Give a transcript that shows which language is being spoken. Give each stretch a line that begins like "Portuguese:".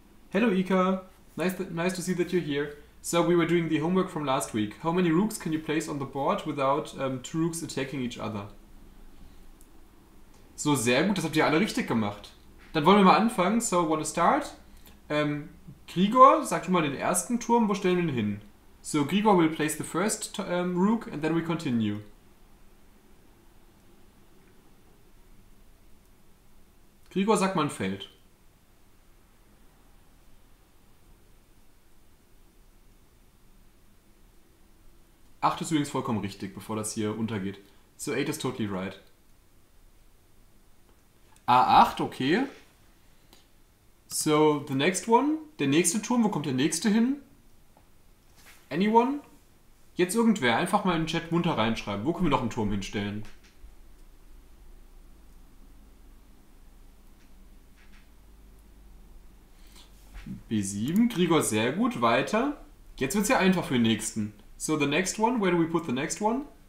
English: Hello Ika, nice to see that you're here. So, we were doing the homework from last week. How many rooks can you place on the board without two rooks attacking each other?
German: So, sehr gut, das habt ihr alle richtig gemacht. Dann wollen wir mal anfangen.
English: So, wanna start?
German: Grigor, sag du mal den ersten Turm, wo stellen wir ihn hin?
English: So, Grigor will place the first rook and then we continue.
German: Grigor, sag mal ein Feld. Acht ist übrigens vollkommen richtig, bevor das hier untergeht.
English: So, 8 is totally right. A8, okay. So, the next one.
German: Der nächste Turm, wo kommt der nächste hin?
English: Anyone?
German: Jetzt irgendwer, einfach mal in den Chat munter reinschreiben. Wo können wir noch einen Turm hinstellen? B7, Grigor, sehr gut, weiter. Jetzt wird es ja einfach für den nächsten.
English: So, the next one, where do we put the next one?